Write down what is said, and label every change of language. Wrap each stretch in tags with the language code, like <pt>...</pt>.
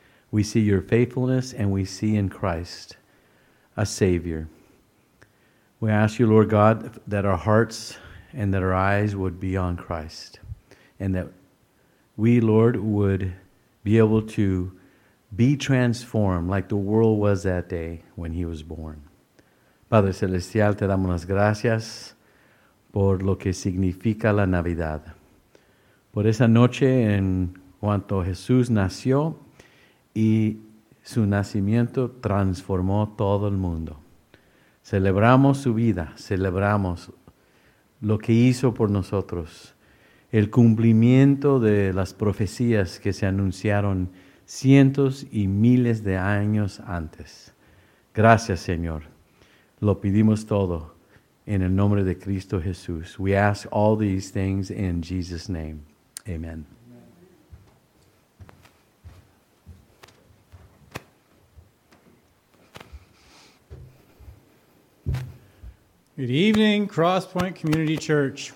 <en>We see your faithfulness, and we see in Christ a Savior. We ask you, Lord God, that our hearts and that our eyes would be on Christ, and that we, Lord, would be able to be transformed like the world was that day when he was born.</en> <es>Padre Celestial, te damos las gracias por lo que significa la Navidad. Por esa noche en cuanto Jesús nació y su nacimiento transformó todo el mundo. Celebramos su vida, celebramos lo que hizo por nosotros, el cumplimiento de las profecías que se anunciaron cientos y miles de años antes. Gracias, Señor. Lo pedimos todo en el nombre de Cristo Jesús.</es> <en>We ask all these things in Jesus' name. Amen. Good evening, Cross Point Community Church.</en>